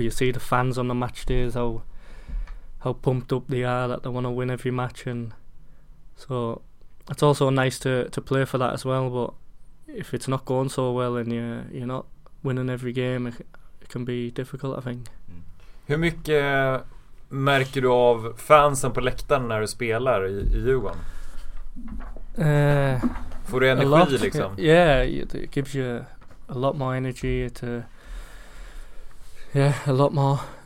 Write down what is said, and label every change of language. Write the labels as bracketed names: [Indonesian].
[English] You see the fans on the match days. How pumped up they are, that they want to win every match, and so it's also nice to play for that as well. But if it's not going so well and you're not winning every game, it can be difficult, I think. [Swedish] Hur mycket märker du av fansen på läktaren när du spelar i Djurgården? Får du energi, [English] lot, [Swedish] liksom? [English] Yeah, it gives you a lot more energy to, a lot more.